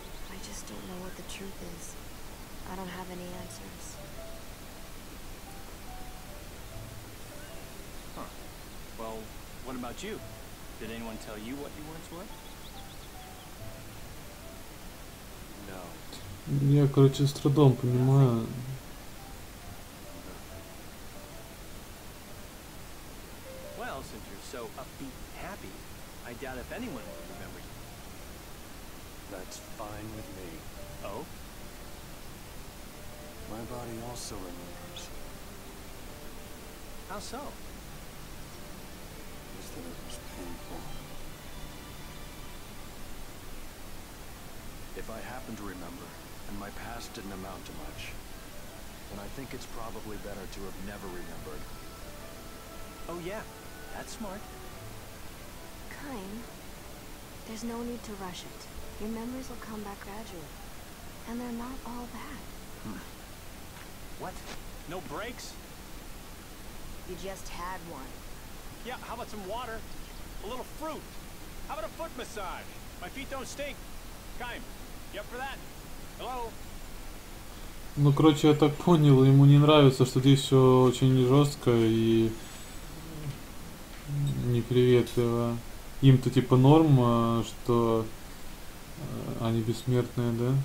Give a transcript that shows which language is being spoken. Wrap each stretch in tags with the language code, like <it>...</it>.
<en>I just don't know what the truth is. I don't have any answers. Huh. Well, what about you? Did anyone tell you what you once were? No.</en> <ru>Я, короче, с трудом понимаю.</ru> <en>Well, since you're so upbeat. I doubt if anyone will remember you. That's fine with me. Oh? My body also remembers. How so? Just that it was painful. If I happen to remember, and my past didn't amount to much, then I think it's probably better to have never remembered. Oh yeah, that's smart. Time. There's no need to rush it. Your memories will come back gradually. And they're not all bad. What? No breaks? You just had one. Yeah, how about some water? A little fruit? How about a foot massage? My feet don't stink. Time. You up for that? Hello?</en> <ru>Ну, короче, я так понял, ему не нравится, что здесь все очень жестко и неприветливо. Им-то типа норм, что они бессмертные, да?</ru>